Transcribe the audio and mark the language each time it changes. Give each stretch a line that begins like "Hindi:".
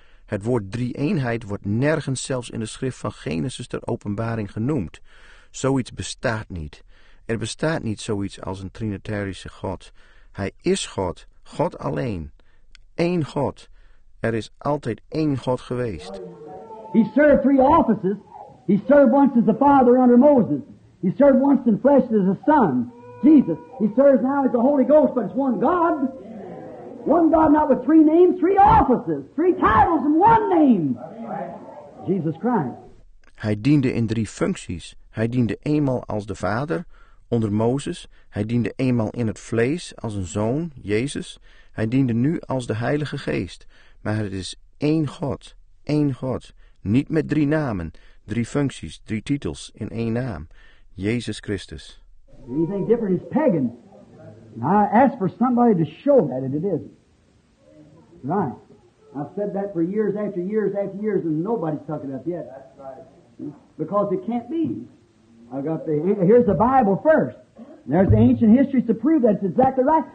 Dutch: Het woord drie-eenheid wordt nergens zelfs in de schrift van Genesis ter openbaring genoemd. Zoiets bestaat niet. Er bestaat niet zoiets als een trinitarische God. Hij is God, God alleen. Eén God. Er is altijd één God geweest.
English: He served three offices. He served once as the Father under Moses. He served once in flesh as the Son, Jesus. He serves now as the Holy Ghost, but it's one God. One God, not with three names, three offices, three titles in one name. Jesus Christ.
Dutch: Hij diende in drie functies. Hij diende eenmaal als de Vader, onder Mozes. Hij diende eenmaal in het vlees, als een zoon, Jezus. Hij diende nu als de Heilige Geest. Maar het is één God, niet met drie namen, drie functies, drie titels in één naam, Jezus Christus.
English: Anything different is pagan. Now, I ask for somebody to show that, and it isn't. Right. I've said that for years after years after years, and nobody's talking up yet. That's right. Because it can't be. I've got here's the Bible first. There's the ancient history to prove that it's exactly right.